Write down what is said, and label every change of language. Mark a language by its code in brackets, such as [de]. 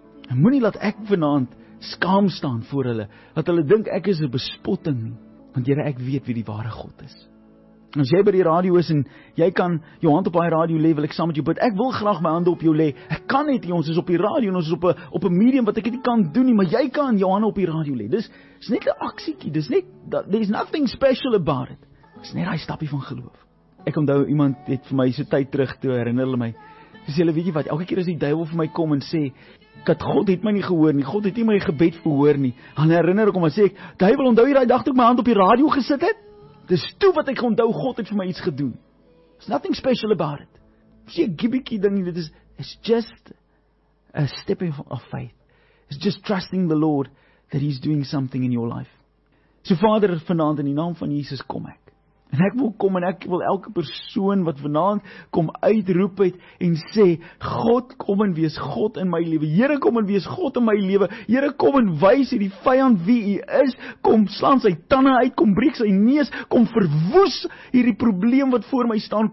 [af] En moenie laat ek vanaand skaam staan voor hulle, dat hulle dink ek is 'n bespotting nie, want Here, ek weet wie die ware God is. As jy by die radio is en jy kan jou hand op daai radio lê, wil ek saam met jou bid. Ek wil graag my hande op jou lê. Ek kan net nie, ons is op die radio en ons is op 'n medium wat ek nie kan doen nie, maar jy kan jou hande op die radio lê. Dis net 'n aksietjie. Dis net [en] that there's nothing special about it. [af] Dis net daai stappie van geloof. Ek onthou iemand het vir my so tyd terug toe herinner hulle my. Dis hulle weet jy wat, elke keer as die duiwel vir my kom en sê dat God het my nie gehoor nie, God het nie my gebed verhoor nie. Dan herinner ek hom en sê ek, duiwel, onthou jy daai dag toe ek my hand op die radio gesit het? Dis toe wat ek onthou, God het vir my iets gedoen. [en] There's nothing special about it. See, [af] gibbiekie ding, dit is, [en] it's just a stepping of faith. It's just trusting the Lord that he's doing something in your life. [af] So Vader, vanaand in die naam van Jesus kom ek. En ek wil kom en ek wil elke persoon wat vanaand kom uitroep het en sê, God kom en wees God in my lewe. Here kom en wees God in my lewe. Here kom en wys hierdie vyand wie u is. Kom slaan sy tande uit, kom breek sy neus, kom verwoes hierdie probleem wat voor my staan.